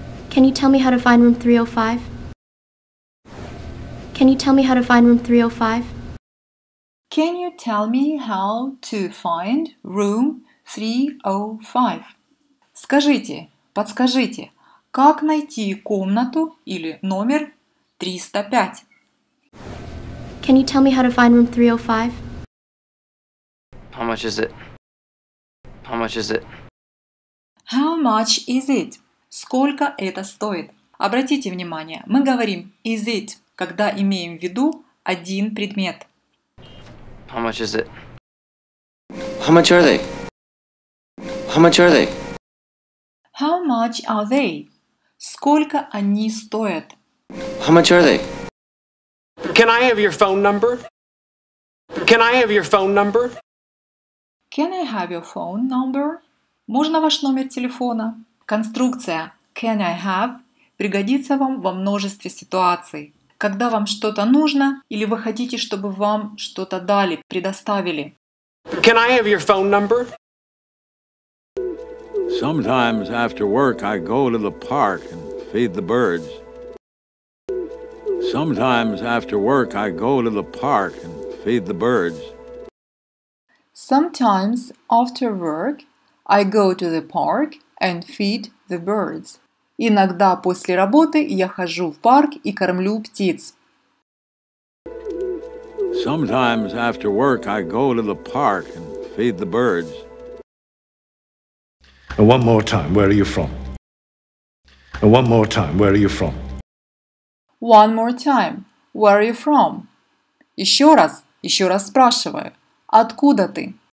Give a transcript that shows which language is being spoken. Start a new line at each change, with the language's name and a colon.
English: Can you tell me how to find room 305? Can you tell me how to find room 305? Can you tell me how to find room 305?
Russian: Скажите, подскажите, как найти комнату или номер 305?
English: Can you tell me how to find room 305? much is it? How much is it? How much is it?
Russian: Сколько это стоит? Обратите внимание, мы говорим is it, когда имеем в виду один предмет.
English: How much is it? How much are they? How much are they? How much are they?
Russian: Сколько они стоят?
English: How much are they? Can I have your phone number? Can I have your phone number? Can I have your phone number?
Russian: Можно ваш номер телефона? Конструкция
English: can I have
Russian: пригодится вам во множестве ситуаций. Когда вам что-то нужно или вы хотите, чтобы вам что-то дали, предоставили.
English: Can I have your phone number? Sometimes after work I go to the park and feed the birds. Sometimes after work I go to the park and feed the birds. Sometimes after work I go to the park and feed the birds.
Russian: Иногда после работы я хожу в парк и кормлю птиц.
English: Sometimes after work I go to the park and feed the birds. And one more time, where are you from? And one more time, where are you from? One more time, where are you from?
Russian: Еще раз спрашиваю, откуда ты?